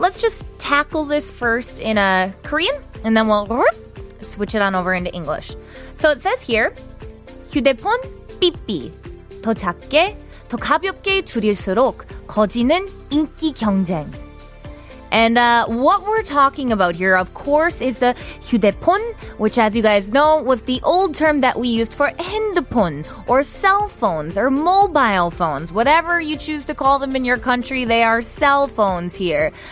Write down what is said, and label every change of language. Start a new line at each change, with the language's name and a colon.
English: Let's just tackle this first in Korean, and then we'll switch it on over into English. So it says here,
Korean: 휴대폰 삐삐. 더 작게, 더 가볍게 줄일수록 커지는 인기 경쟁.
English: And what we're talking about here, of course, is the 휴대폰, which, as you guys know, was the old term that we used for 핸드폰, or cell phones, or mobile phones. Whatever you choose to call them in your country, they are cell phones here.